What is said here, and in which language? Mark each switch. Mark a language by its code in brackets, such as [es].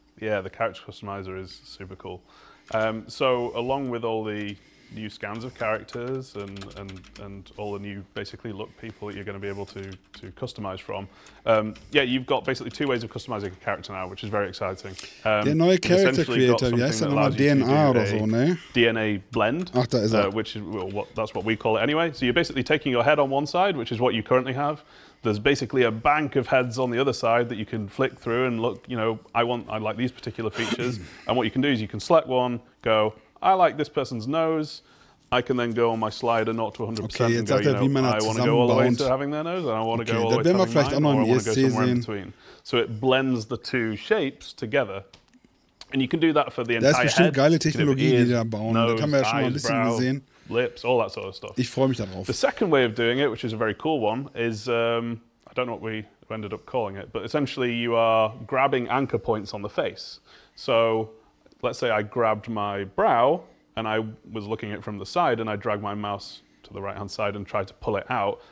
[en] Yeah, the character customizer is super cool. So along with all the new scans of characters and all the new basically look people that you're going to be able to customize from, you've got basically two ways of customizing a character now, which is very exciting. [de] Der neue character creator, wie heißt er nochmal? DNA oder so, ne? DNA blend. Ach, da ist er. [en] That's what we call it anyway. So you're basically taking your head on one side, which is what you currently have. There's basically a bank of heads on the other side that you can flick through and look, you know, I like these particular features. And what you can do is you can select one, go, I like this person's nose. I can then go on my slider, not to 100%, okay, and go, you know, I want to go all the way to having their nose, and I want to go all the way to having mine, or I want to go somewhere in between. So it blends the two shapes together. And you can do that for the entire head. [de] Das ist bestimmt geile Technologie, die da bauen. Da kann man ja schon mal ein bisschen gesehen. [en] Lips, all that sort of stuff. [de] Ich freue mich darauf. [en] The second way of doing it, which is a very cool one, is I don't know what we ended up calling it, but essentially you are grabbing anchor points on the face. So let's say I grabbed my brow and I was looking at it from the side and I drag my mouse to the right hand side and try to pull it out.